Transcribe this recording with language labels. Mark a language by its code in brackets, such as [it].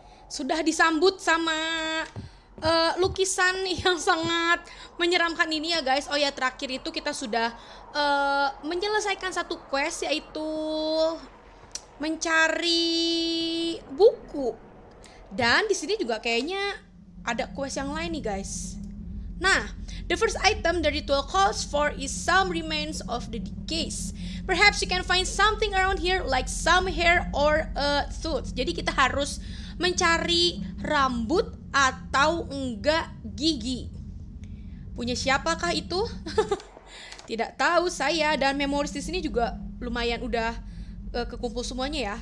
[id] Sudah disambut sama lukisan yang sangat menyeramkan ini ya guys. Oh ya, terakhir itu kita sudah menyelesaikan satu quest, yaitu mencari buku. Dan di sini juga kayaknya ada quest yang lain nih guys. [en] Nah, the first item the ritual calls for is some remains of the deceased. Perhaps you can find something around here like some hair or a tooth. [id] Jadi kita harus mencari rambut atau enggak gigi. Punya siapakah itu? Tidak tahu saya, dan memoris di sini juga lumayan udah kekumpul semuanya ya.